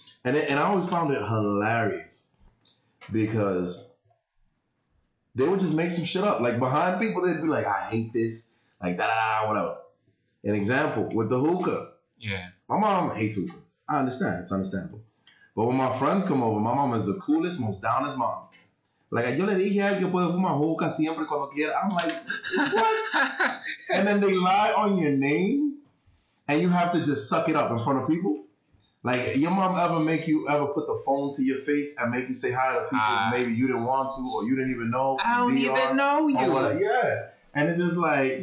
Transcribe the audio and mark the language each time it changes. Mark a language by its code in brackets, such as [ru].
[en] And I always found it hilarious, because they would just make some shit up. Like, behind people, they'd be like, I hate this, like, da-da-da, whatever. An example, with the hookah. Yeah. My mom hates hookah. I understand. It's understandable. But when my friends come over, my mom is the coolest, most downest mom. [es] Like, yo le dije a él que puede fumar hookah siempre cuando quiera. [en] I'm like, what? And then they lie on your name, and you have to just suck it up in front of people? Like, your mom ever make you ever put the phone to your face and make you say hi to people maybe you didn't want to, or you didn't even know? I don't even know you. Like, yeah. And it's just like...